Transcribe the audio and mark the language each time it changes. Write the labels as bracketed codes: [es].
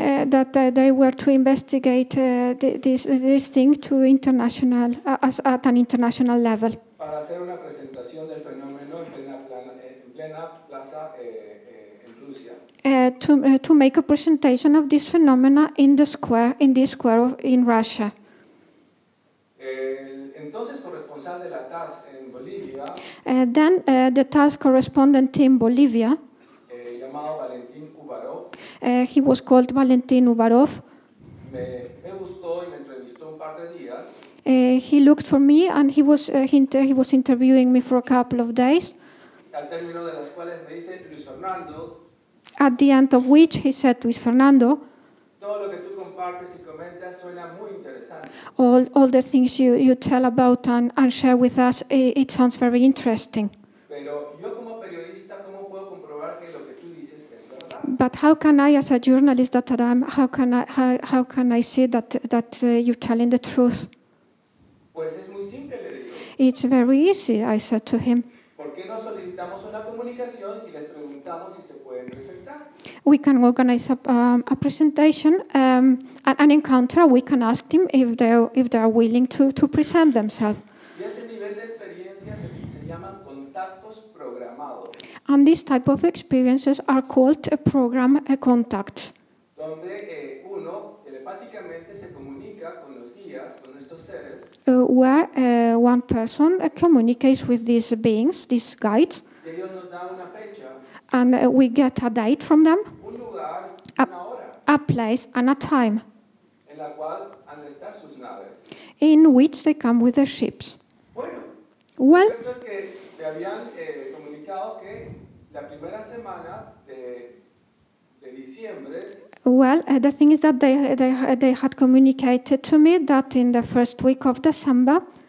[en] that they were to investigate this thing to international at an international level. [es] Para hacer una presentación del fenómeno en plena plaza en Rusia. [en] To make a presentation of this phenomena in the square in this square of, in Russia. [es] Entonces corresponsal de la TAS en Bolivia. [en] Then the TAS correspondent in Bolivia. [es] Llamado Valentin Uvarov. [en] He was called Valentin Uvarov. [es] Me gustó y me entrevistó un par de días. [en] He looked for me and he was interviewing me for a couple of days. [es] Al término de las cuales me dice Luis Fernando. [en] At the end of which he said to Luis Fernando. [es] Todo lo que tú compartes y comentas suena muy interesante. [en] All the things you tell about and share with us, it sounds very interesting. [es] Pero yo como periodista, ¿cómo puedo comprobar que lo que tú dices es verdad? [en] But how can I, as a journalist that I am, how can I see that you're telling the truth? [es] Pues es muy simple, le digo. [en] It's very easy, I said to him. [es] ¿Por qué no solicitamos una comunicación y les preguntamos si se pueden presentar? [en] We can organize a presentation, an encounter. We can ask them if they are willing to present themselves. [es] Y este nivel de experiencias se llaman contactos programados. [en] And this type of experiences are called program contacts. [es] Donde uno telepáticamente se comunica con los guías, con estos seres. [en] Where one person communicates with these beings, these guides. [es] Que Dios nos da una fecha. [en] And we get a date from them, [es] un lugar, una hora, [en] a place and a time [es] en la cual han de estar sus naves. [en] In which they come with their ships. [es] Bueno, [en] well, [es] es que te habían comunicado que la primera semana de diciembre. [en] Well, the thing is that they had communicated to me that in the first week of December.